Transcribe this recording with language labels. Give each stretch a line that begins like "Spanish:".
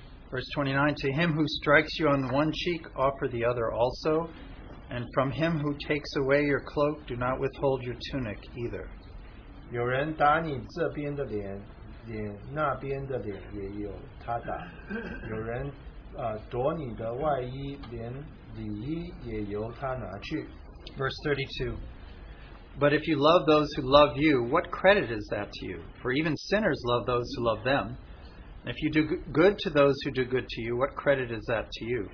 English: Verse 29, to him who strikes you on one cheek, offer the other also. And from him who takes away your cloak, do not withhold your tunic either.
Chinese: 有人打你这边的脸，脸那边的脸也由他打。有人夺你的外衣，连里衣也由他拿去。
English: Verse 32, but if you love those who love you, what credit is that to you? For even sinners love those who love them. If you do good to those who do good to you, what credit is that to you?